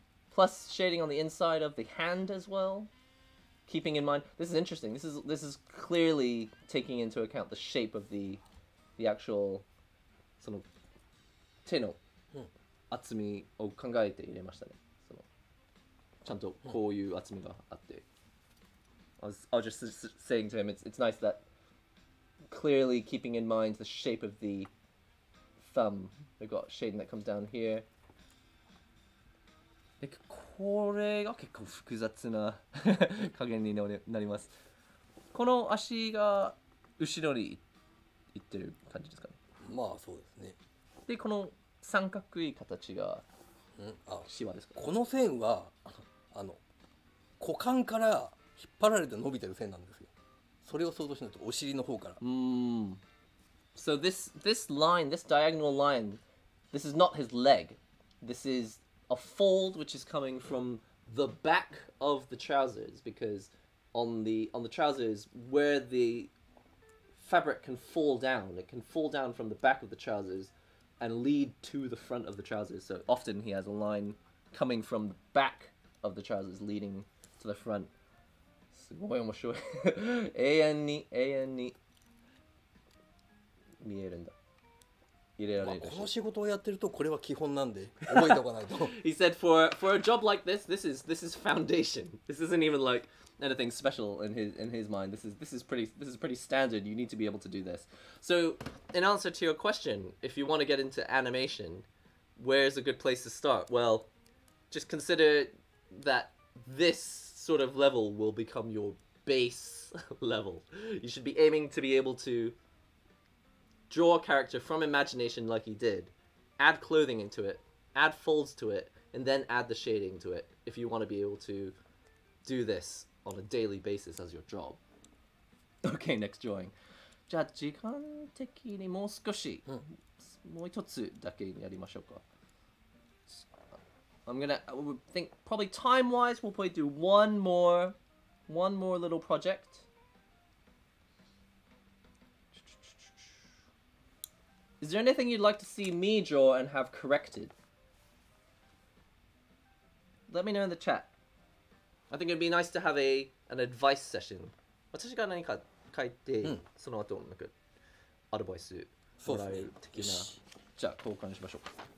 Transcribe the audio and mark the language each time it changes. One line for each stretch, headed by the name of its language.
English: Plus shading on the inside of the hand as well, keeping in mind, this is interesting, this is clearly taking into account the shape of the actual
Japanese: その手の厚みを考えて入れましたね。ちゃんとこういう厚みがあって、
English: I was just saying to him, it's nice that clearly keeping in mind the shape of the thumb, they've got shading that comes down here.
Japanese: で、これが結構複雑な加減になります。この足が後ろに行ってる感じですかね。まあそうですね。で、この三角い形がシワですか、ね。この線は。あの股間から引っ張られて伸びてる線なんですよ。それを想像しないと、お尻の方から。
English: So this line, this diagonal line, this is not his leg. This is a fold which is coming from the back of the trousers, because on the trousers, where the fabric can fall down, it can fall down from the back of the trousers and lead to the front of the trousers. So often he has a line coming from the back. Of the trousers leading to the front.
Japanese: すごい面白い。永遠に見えるんだ。入れられる、まあ、この仕事をやってるとこれは基本なんで覚えておかないと。
English: He said for a job like this, this is foundation. This isn't even like anything special in his mind. This is pretty standard. You need to be able to do this. So in answer to your question, if you want to get into animation, where is a good place to start? Well, just consider that this sort of level will become your base level. You should be aiming to be able to draw a character from imagination like he did, add clothing into it, add folds to it, and then add the shading to it if you want to be able to do this on a daily basis as your job. Okay, next drawing.
Japanese: じゃあ時間的にもう少し、もう一つだけやりましょうか。
English: I would think probably time-wise, we'll probably do one more little project. Is there anything you'd like to see me draw and have corrected? Let me know in the chat. I think it'd be nice to have an advice session.
Japanese: 私が何か書いて、その後なんかアドバイスもらえる的な。じゃあ交換しましょうか。